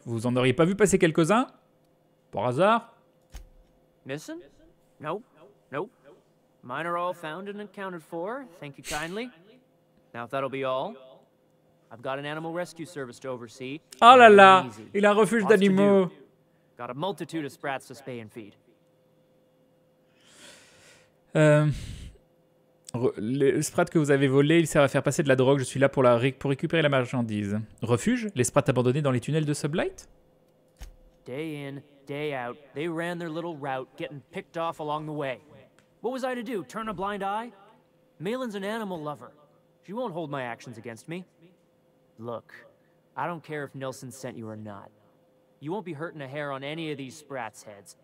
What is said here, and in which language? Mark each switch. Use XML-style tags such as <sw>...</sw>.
<fr>Vous en auriez pas vu passer quelques-uns? Par hasard?</fr> <en>Missing? Nope. Nope. Mine are all found and accounted for. Thank you kindly. Now if that'll be all. I've got an animal rescue service to oversee.</en> <fr>Oh là là, il a un refuge d'animaux.</fr> <en>Got a multitude of sprats to spay and feed.</en> <fr>Les sprats que vous avez volés, ils servent à faire passer de la drogue. Je suis là pour récupérer la marchandise. Refuge? Les sprats abandonnés dans les tunnels de Sublight?</fr> <en>Day in, day out, they ran their little route, getting picked off along the way. What was I to do? Turn a blind eye? Malin's an animal lover. She won't hold my actions against me. Look, I don't care if Nelson sent you or not. You won't be hurting a hair on any of these sprats' heads.</en>